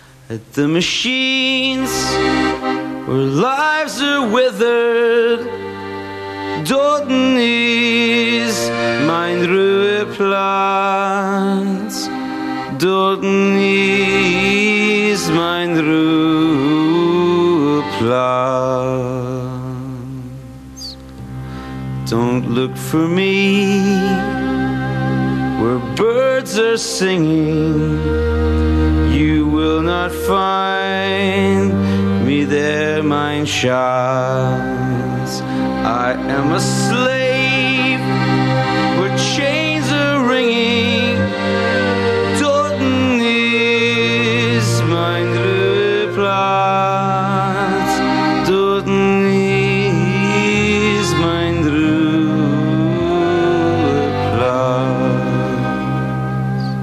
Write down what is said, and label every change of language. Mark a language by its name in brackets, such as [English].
[English] At the machines where lives are withered, [German] dort ist mein Ruheplatz. Dort ist mein Ruheplatz. [English] Don't look for me where birds are singing. You will not find me there, [German] mein Schatz. [English] I am a slave where chains are ringing. [German] Dort ist mein Ruheplatz. Dort ist mein Ruheplatz.